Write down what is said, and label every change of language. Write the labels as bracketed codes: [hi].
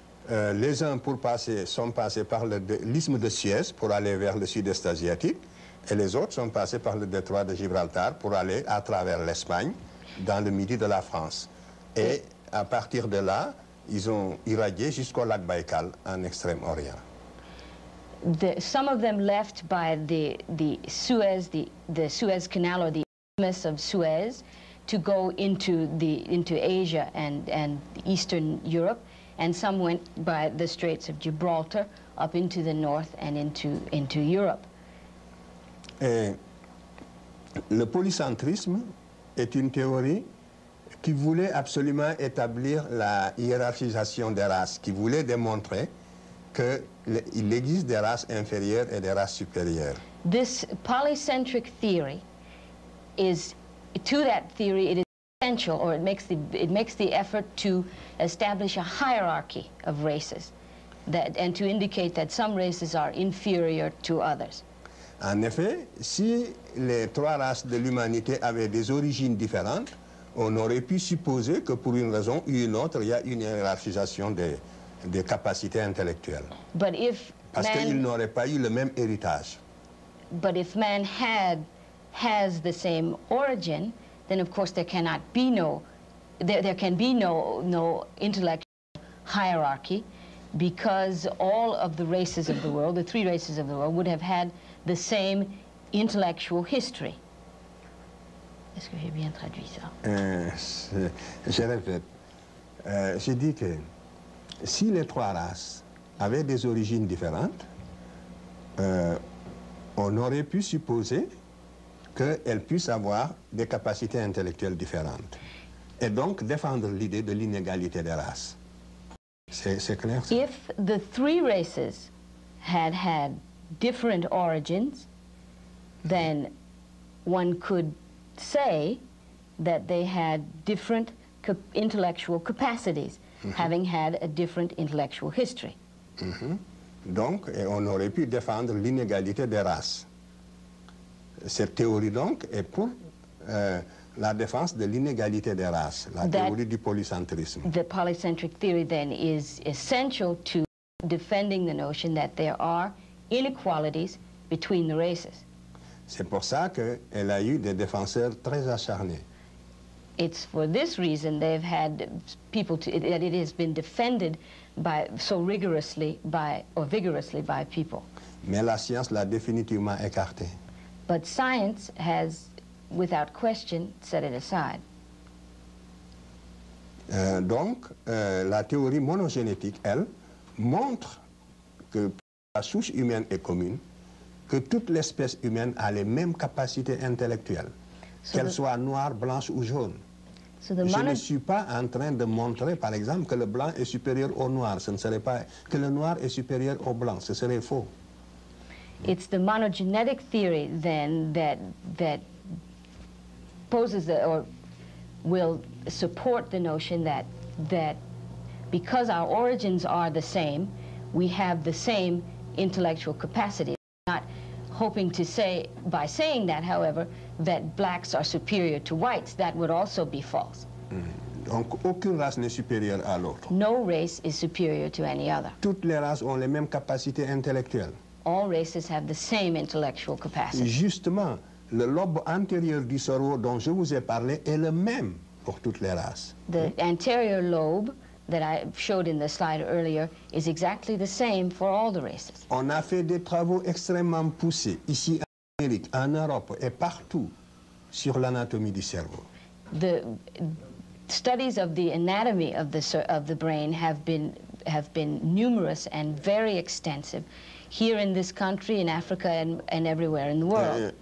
[fr] Les uns pour passer, sont passés par l'isthme de Suez pour aller vers le sud-est asiatique. Et les autres sont passés par le détroit de Gibraltar pour aller à travers l'Espagne, dans le midi de la France. Et à partir de là, ils ont irradié jusqu'au lac Baïkal, en Extrême-Orient. [en] Some of them left by the Suez Canal or the Isthmus of Suez to go into Asia and Eastern Europe, and some went by the Straits of Gibraltar up into the north and into Europe. [fr] Et le polycentrisme est une théorie qui voulait absolument établir la hiérarchisation des races, qui voulait démontrer que il existe des races inférieures et des races supérieures. [en] This polycentric theory is, to that theory, it is essential, or it makes the effort to establish a hierarchy of races, that and to indicate that some races are inferior to others. [fr] En effet, si les trois races de l'humanité avaient des origines différentes, on aurait pu supposer que pour une raison ou une autre, il y a une hiérarchisation des capacités intellectuelles. [en] But if [fr] parce qu'ils n'auraient pas eu le même héritage. [en] But if man has the same origin, then of course there cannot be no intellectual hierarchy, because all of the races of the world, the three races of the world, would have had the same intellectual history. [fr] Est-ce que j'ai bien traduit ça? Je répète. J'ai dit que si les trois races avaient des origines différentes, on aurait pu supposer qu'elles puissent avoir des capacités intellectuelles différentes. Et donc défendre l'idée de l'inégalité des races. C'est clair, ça? [en] If the three races had had different origins, then one could say that they had different intellectual capacities, mm-hmm. having had a different intellectual history. Mm-hmm. [fr] Donc, et on aurait pu défendre l'inégalité des races. Cette théorie, donc, est pour la défense de l'inégalité des races, la théorie du polycentrisme. [en] The polycentric theory, then, is essential to defending the notion that there are inequalities between the races. [fr] C'est pour ça qu'elle a eu des défenseurs très acharnés. [en] It's for this reason they've had people to, that it has been defended by so rigorously by or vigorously by people. [fr] Mais la science l'a définitivement écarté. [en] But science has, without question, set it aside. [fr] Donc, la théorie monogénétique, elle, montre que la souche humaine est commune, que toute l'espèce humaine a les mêmes capacités intellectuelles, so qu'elle soit noire, blanche ou jaune. Je ne suis pas en train de montrer, par exemple, que le blanc est supérieur au noir. Ce ne serait pas que le noir est supérieur au blanc. Ce serait faux. [en] It's the monogenetic theory then that poses the, or will support the notion that because our origins are the same, we have the same intellectual capacity. Not hoping to say, by saying that, however, that blacks are superior to whites. That would also be false. [fr] Donc, aucune race n'est supérieure à l'autre. [en] No race is superior to any other. [fr] Toutes les races ont les mêmes capacités intellectuelles. [en] All races have the same intellectual capacity. [fr] Justement, le lobe antérieur du cerveau dont je vous ai parlé est le même pour toutes les races. [en] The anterior lobe that I showed in the slide earlier is exactly the same for all the races. [fr] On a fait des travaux extrêmement poussés ici en Amérique, en Europe et partout sur l'anatomie du cerveau. [en] The studies of the anatomy of the brain have been numerous and very extensive here in this country, in Africa, and everywhere in the world.